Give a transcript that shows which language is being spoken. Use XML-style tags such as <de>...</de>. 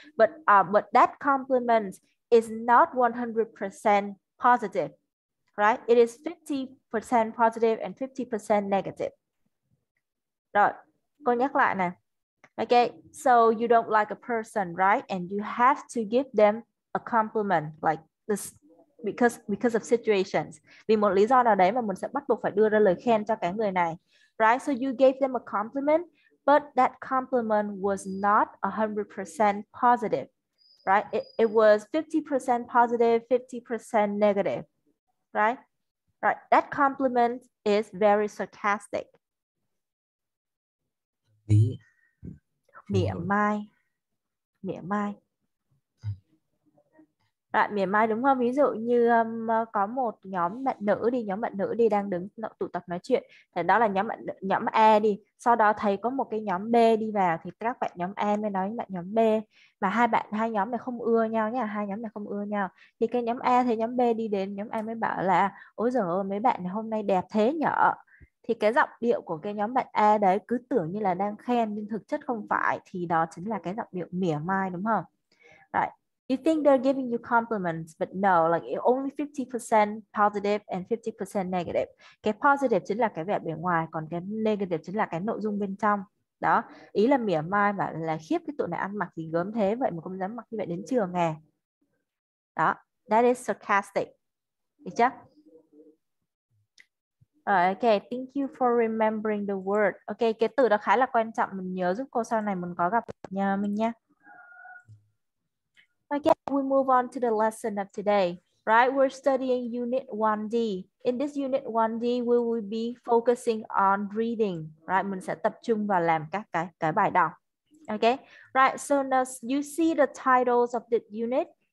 <en>But that compliment is not 100% positive, right? It is 50% positive and 50% negative.</en> <vi>Rồi, cô nhắc lại nè.</vi> <en>Okay, so you don't like a person, right? And you have to give them a compliment like this. Because of situations.</en> <vi>Vì một lý do nào đấy mà mình sẽ bắt buộc phải đưa ra lời khen cho cái người này.</vi> <en>Right? So you gave them a compliment, but that compliment was not 100% positive. Right? It was 50% positive, 50% negative. Right? Right. That compliment is very sarcastic.</en> <vi>Mỉa mai. Rồi, mỉa mai đúng không? Ví dụ như có một nhóm bạn nữ đi, nhóm bạn nữ đi đang đứng tụ tập nói chuyện. Thì đó là nhóm A đi. Sau đó thấy có một cái nhóm B đi vào thì các bạn nhóm A mới nói với bạn nhóm B. Và hai nhóm này không ưa nhau nha, hai nhóm này không ưa nhau. Thì cái nhóm A thấy nhóm B đi đến, nhóm A mới bảo là ôi giời ơi, mấy bạn hôm nay đẹp thế nhở. Thì cái giọng điệu của cái nhóm bạn A đấy cứ tưởng như là đang khen nhưng thực chất không phải. Thì đó chính là cái giọng điệu mỉa mai đúng không? Rồi.</vi> <en>You think they're giving you compliments, but no, like only 50% positive and 50% negative.</en> <vi>Cái positive chính là cái vẻ bề ngoài, còn cái negative chính là cái nội dung bên trong. Đó, ý là mỉa mai và là khiếp cái tụi này ăn mặc gì gớm thế vậy mà không dám mặc như vậy đến trường à. Đó,</vi> <en>that is sarcastic.</en> <vi>Được chưa?</vi> <en>Okay, thank you for remembering the word.</en> <vi>Okay, cái từ đó khá là quan trọng, mình nhớ giúp cô sau này mình có gặp nhà mình nha.</vi> <en>Okay, we move on to the lesson of today, right? We're studying Unit 1D. In this Unit 1D, we will be focusing on reading, right?</en> <vi>Mình sẽ tập trung vào làm các cái bài đọc.</vi> <en>Okay, right? So now you see the titles of this unit.</en>